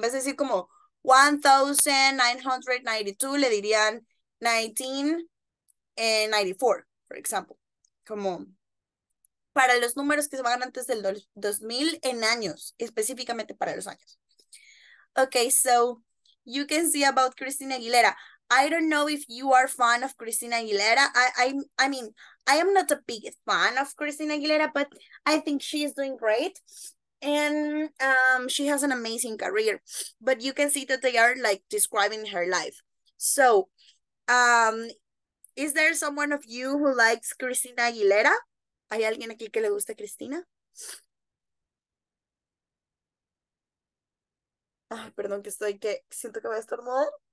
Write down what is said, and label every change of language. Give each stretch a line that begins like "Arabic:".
Spanish: En vez de decir como 1992, le dirían 1994, por ejemplo. Como para los números que se van antes del 2000 en años, específicamente para los años.
English: Ok, so you can see about Christina Aguilera. I don't know if you are fan of Christina Aguilera. I mean, I am not a big fan of Christina Aguilera, but I think she is doing great. And she has an amazing career, but you can see that they are like describing her life. So, is there someone of you who likes Christina Aguilera?
Spanish: ¿Hay alguien aquí que le gusta a Christina? Ah, perdón, que estoy que siento que voy a estornudar.